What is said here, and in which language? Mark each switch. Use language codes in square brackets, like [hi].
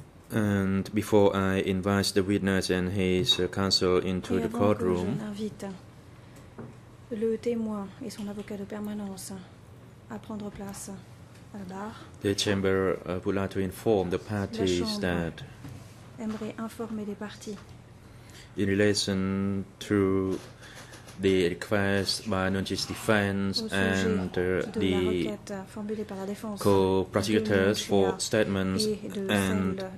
[en] And before I invite the witness and his counsel into the courtroom, [fr] le témoin et son avocat de permanence à prendre place. [en] The chamber would like to inform the parties that [fr] aimerait informer les parties. [en] In relation to the request by Nunchi's defense and the co-prosecutors for statements and